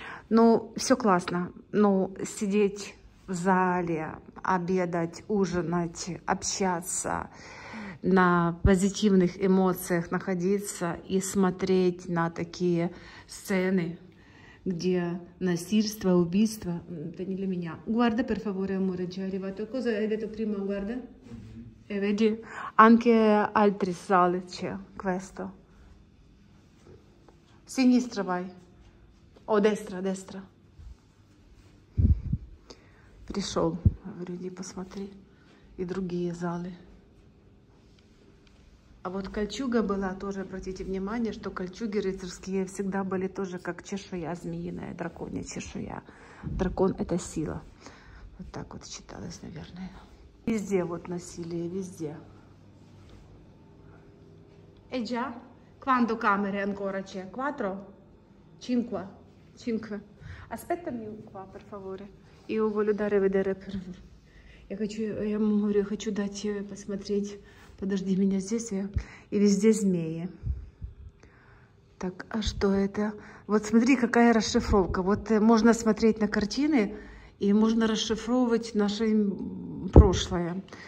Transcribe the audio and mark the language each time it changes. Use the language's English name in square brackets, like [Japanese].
[Russian] Ну, все классно, но сидеть в зале, обедать, ужинать, общаться, на позитивных эмоциях находиться и смотреть на такие сцены, где насильство, убийство, это не для меня. [Italian] Guarda per favore, amore, già arrivato. Cosa hai detto prima, guarda? E vedi? Anche altri sale c'è, questo. Sinistra vai. О, дестра, дестра. [Russian] Пришел, говорю, иди посмотри. И другие залы. А вот кольчуга была тоже, обратите внимание, что кольчуги рыцарские всегда были тоже как чешуя змеиная, драконья чешуя. Дракон — это сила. Вот так вот читалось, наверное. Везде вот насилие, везде. [Italian] Эй, già? Quanto камеры ancora c'è? Quattro? Cinque? Cinque. Aspettami qua, per favore. Io voglio dare vedere per... [Russian] Я хочу, я ему говорю, хочу дать посмотреть. Подожди меня здесь. И везде змеи. Так, а что это? Вот смотри, какая расшифровка. Вот можно смотреть на картины, и можно расшифровывать наше прошлое.